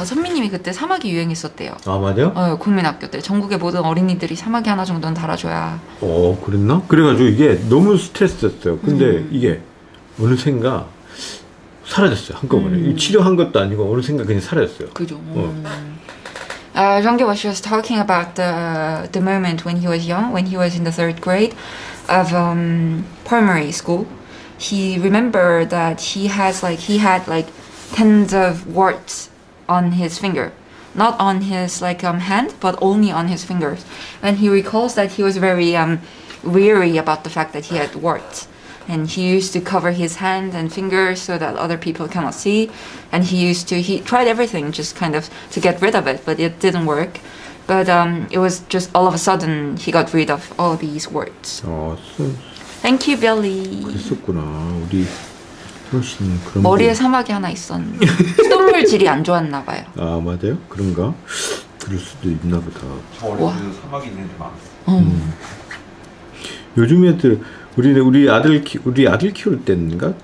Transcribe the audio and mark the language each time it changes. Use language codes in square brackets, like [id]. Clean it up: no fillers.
[ko] 아, 선미님이 그때 사마귀 유행했었대요. 아, 맞아요? 어, 국민학교 때 전국의 모든 어린이들이 사마귀 하나 정도는 달아줘야. 어, 그랬나? 그래가지고 이게 너무 스트레스였어요. 근데 이게 어느샌가 사라졌어요, 한꺼번에. 치료한 것도 아니고 어느샌가 그냥 사라졌어요. 그죠. [en] 정기 was just talking about the moment when he was young, when he was in the third grade of primary school. He remembered that he had like tens of warts on his finger, not on his like hand, but only on his fingers. And he recalls that he was very weary about the fact that he had warts, and he used to cover his hand and fingers so that other people cannot see. And he tried everything just kind of to get rid of it, but it didn't work. But it was just all of a sudden he got rid of all of these words. Thank you, Billy. [ko] 그랬었구나. 우리 현우 씨는 그런 머리에 사막이 하나 있었는데 수돗물 질이 안 좋았나 봐요. 아, 맞아요? 그런가? 그럴 수도 있나 보다. 저 어렸을 때 사막이 있는 애들 많았어요. 요즘 애들 우리 아들 키울 때인가?